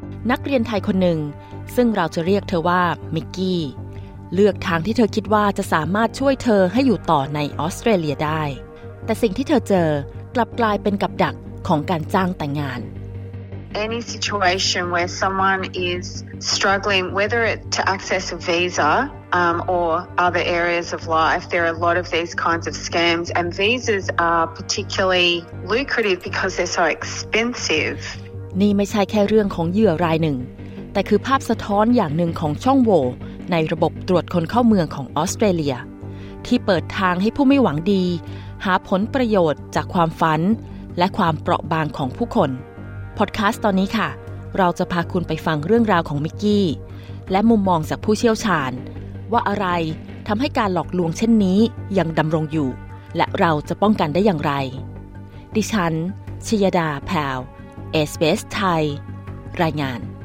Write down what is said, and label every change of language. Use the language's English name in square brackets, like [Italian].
[Thai] นักเรียนไทยคนหนึ่งซึ่งเราจะเรียกเธอว่ามิกกี้เลือกทางที่เธอคิดว่าจะสามารถช่วยเธอให้อยู่ต่อในออสเตรเลียได้แต่สิ่งที่เธอเจอกลับกลายเป็นกับดักของการจ้างแต่งงาน [English] Any situation where someone is struggling, whether it to access a visa or other areas of life, there are a lot of these kinds of scams, and visas are particularly lucrative because they're so expensive. [Thai] นี่ไม่ใช่แค่เรื่องของเหยื่อรายหนึ่งแต่คือภาพสะท้อนอย่างหนึ่งของช่องโหว่ในระบบตรวจคนเข้าเมืองของออสเตรเลีย ที่เปิดทางให้ผู้ไม่หวังดีหาผลประโยชน์จากความฝันและความเปราะบางของผู้คนพอดแคสต์ตอนนี้ค่ะเราจะพาคุณไปฟังเรื่องราวของมิกกี้และมุมมองจากผู้เชี่ยวชาญว่าอะไรทำให้การหลอกลวงเช่นนี้ยังดำรงอยู่และเราจะป้องกันได้อย่างไรดิฉันชยดาแพลวเอสเปสไทยรายงาน